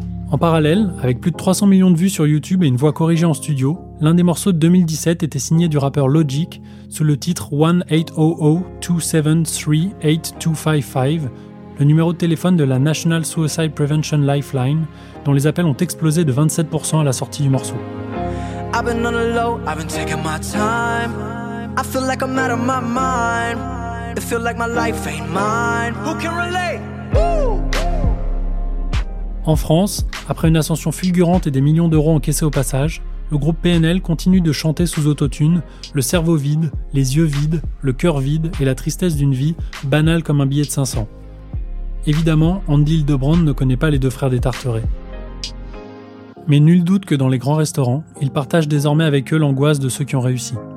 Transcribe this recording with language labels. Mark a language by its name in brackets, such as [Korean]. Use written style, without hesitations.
[French] En parallèle, avec plus de 300 millions de vues sur YouTube et une voix corrigée en studio, l'un des morceaux de 2017 était signé du rappeur Logic sous le titre 1-800-273-8255, le numéro de téléphone de la National Suicide Prevention Lifeline, dont les appels ont explosé de 27% à la sortie du morceau. [English] I've been on a low, I've been taking my time. I feel like I'm out of my mind. It feel like my life ain't mine. Who can relate? Woo! [French] En France, après une ascension fulgurante et des millions d'euros encaissés au passage, le groupe PNL continue de chanter sous autotune le cerveau vide, les yeux vides, le cœur vide et la tristesse d'une vie banale comme un billet de 500. Évidemment, Andy Hildebrand ne connaît pas les deux frères des Tarterets. Mais nul doute que dans les grands restaurants, ils partagent désormais avec eux l'angoisse de ceux qui ont réussi.